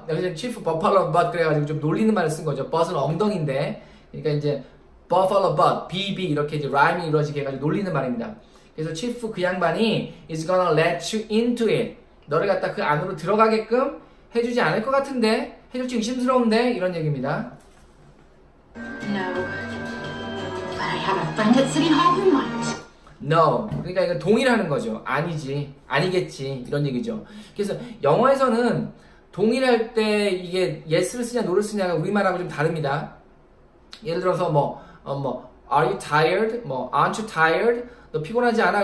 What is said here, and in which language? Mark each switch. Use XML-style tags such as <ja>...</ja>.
<ko>여기서 Chief Buffalo Bud 그래가지고 좀 놀리는 말을 쓴 거죠. Bud은 엉덩이인데. 그러니까 이제 Buffalo Bud, BB 이렇게 이제 라임이 이루어지게 해가지고 놀리는 말입니다. 그래서 치프 그 양반이</ko> <en>is gonna let you into it.</en> <ko>너를 갖다 그 안으로 들어가게끔 해주지 않을 것 같은데 해줄지 의심스러운데 이런 얘기입니다.</ko> <en>No, but I have a friend at City Hall who might.</en> <ko>No, 그러니까 이거 동의라는 거죠. 아니지, 아니겠지 이런 얘기죠. 그래서 영어에서는 동의할 때 이게 yes를 쓰냐 no를 쓰냐가 우리말하고 좀 다릅니다. 예를 들어서 뭐</ko> <en>are you tired?</en> <ko>뭐</ko> <en>aren't you tired?</en> <ko>너 피곤하지 않아?</ko>